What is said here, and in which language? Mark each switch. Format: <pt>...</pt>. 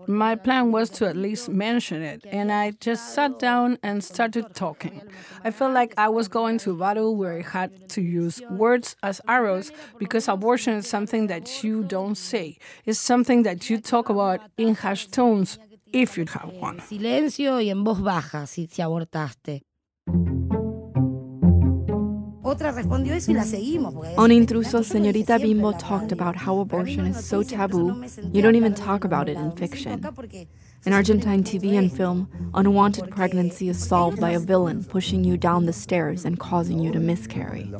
<en>My plan was to at least mention it. And I just sat down and started talking. I felt like I was going to battle where I had to use words as arrows, because abortion is something that you don't say. It's something that you talk about in hushed tones, if you have one.</en> <es>Silencio y en voz baja si te abortaste.</es> <en>On Intrusos, Señorita Bimbo talked about how abortion is so taboo, you don't even talk about it in fiction. In Argentine TV and film, unwanted pregnancy is solved by a villain pushing you down the stairs and causing you to miscarry.</en>